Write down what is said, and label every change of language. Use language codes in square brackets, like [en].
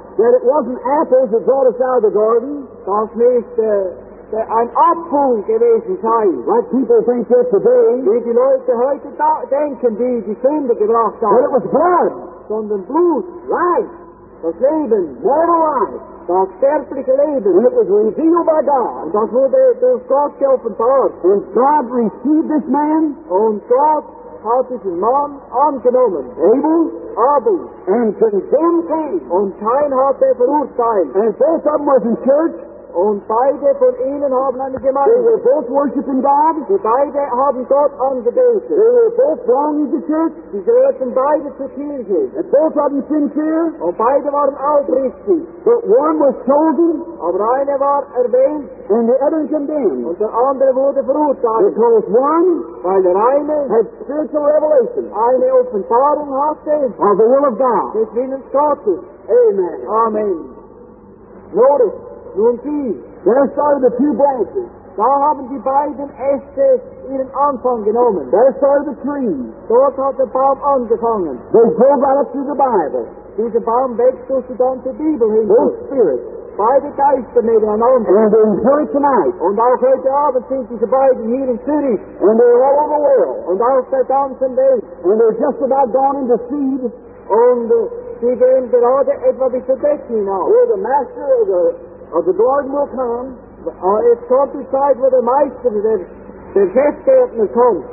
[en] that it wasn't apples that brought us out of the garden, [de] das nicht ein Apfel gewesen sei, [en] like people think it today, [de] wie die Leute heute denken, die Sünde gebracht haben, [en] but it was blood, [de] sondern Blut, [en] life, [de] das Leben, [en] mortal life, [de] das sterbliche Leben, [en] and it was revealed by God, [de] und das wurde durch Gott geoffenbart, [en] and God received this man, [de] und Gott hat diesen Mann angenommen. [en] Abel, [de] Abel, [en] and condemned him, [de] und Kain hat er verurteilt. [en] And both of them was in church, [de] und beide von ihnen haben eine Gemeinde. [en] They were both worshiping God, [de] die beide haben Gott angebetet. [en] They were both wrong in the church, [de] die gehörten beide zur Kirche. [en] And both of them sincere, [de] und beide waren aufrichtig. [en] But one was chosen, [de] aber einer war erwähnt, [en] and the other condemned, [de] und der andere wurde verurteilt. [en] Because one, [de] weil der eine, [en] had spiritual revelation, [de] eine Offenbarung hatte, [en] of the will of God, [de] des Willens Gottes. [en] Amen. [de] Amen. Notice, nun sie, [en] there started the two branches. [de] Da haben die beiden Äste ihren Anfang genommen. [en] There started the tree. [de] Dort hat der Baum angefangen. [en] They go right up through the Bible. [de] Dieser Baum wächst durch die ganze Bibel hin. [en] Both spirits. [de] Beide Geister nebeneinander. [en] And they're here tonight. [de] Und auch heute Abend sind diese beiden hier in Zürich. [en] And they're all over the world. [de] Und auf der ganzen Welt. [en] And they're just about gone into seed. [de] Und sie gehen gerade etwa bis zur Decke hinaus. [en] Where the master of the garden will come, it's going to decide where the Meister, the Chefgärtner comes,